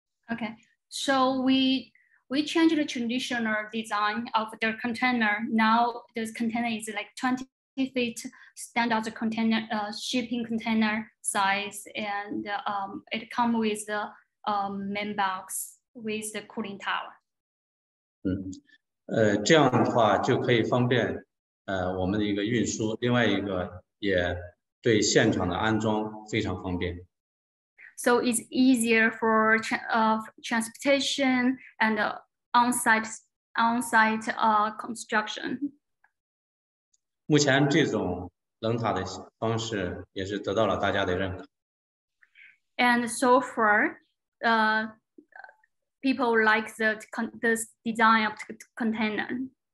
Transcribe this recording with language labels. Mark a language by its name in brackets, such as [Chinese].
[English] Okay, so we changed the traditional design of the container. Now this container is like 20 feet standard container, shipping container size, and it comes with the main box with the cooling tower. [Chinese] 这样的话就可以方便我们的一个运输，另外一个也对现场的安装非常方便。 [English] So it's easier for transportation and on-site construction. [Chinese] 目前这种冷塔的方式也是得到了大家的认可。 [English] And so far, people like this design of the container.